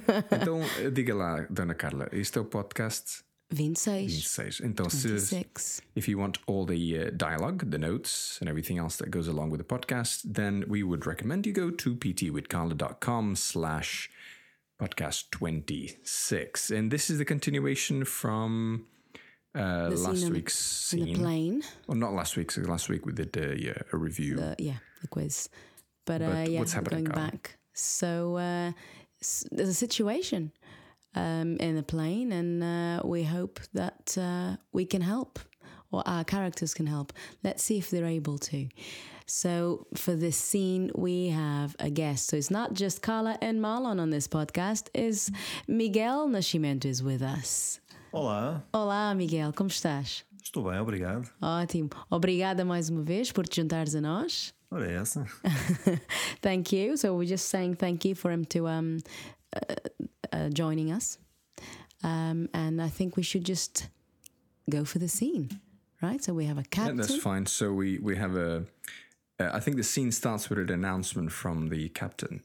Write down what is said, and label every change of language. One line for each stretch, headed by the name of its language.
Portuguese: Então, diga lá, Dona Carla, este é o podcast... 26. Então, 26.
English: If you want all the dialogue, the notes, and everything else that goes along with the podcast, then we would recommend you go to ptwithcarla.com/podcast26. And this is the continuation from last week's scene. In the plane. Well, not last week. So last week we did a review. The quiz. But what's happening, going Carla? Back. So there's a situation. In the plane, and we hope that we can help, or our characters can help. Let's see if they're able to. So for this scene, we have a guest. So it's not just Carla and Marlon on this podcast. It's Miguel Nascimento is with us.
Portuguese: Olá. Olá, Miguel. Como estás? Estou bem, obrigado. Ótimo. Obrigada mais uma vez por te juntares a nós. Ora, é essa.
English: Thank you. So we're just saying thank you for him to... joining us, and I think we should just go for the scene, right? So we have a captain. Yeah, that's fine. So we have a. I think the scene starts with an announcement from the captain.